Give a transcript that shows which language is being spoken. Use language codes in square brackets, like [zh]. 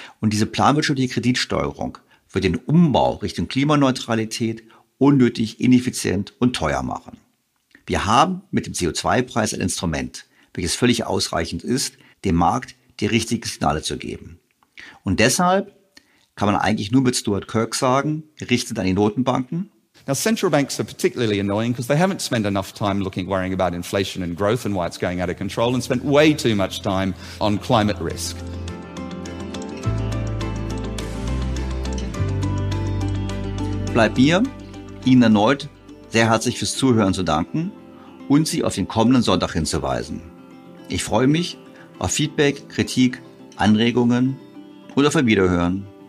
[de] Und diese planwirtschaftliche Kreditsteuerung für den Umbau Richtung Klimaneutralität unnötig, ineffizient und teuer machen. Wir haben mit dem CO2-Preis ein Instrument, welches völlig ausreichend ist, dem Markt die richtigen Signale zu geben. Und deshalb kann man eigentlich nur mit Stuart Kirk sagen, gerichtet an die Notenbanken. [en] Now central banks are particularly annoying because they haven't spent enough time looking, worrying about inflation and growth and why it's going out of control and spent way too much time on climate risk. [de] Bleibt mir, Ihnen erneut sehr herzlich fürs Zuhören zu danken und Sie auf den kommenden Sonntag hinzuweisen. Ich freue mich auf Feedback, Kritik, Anregungen und auf ein Wiederhören.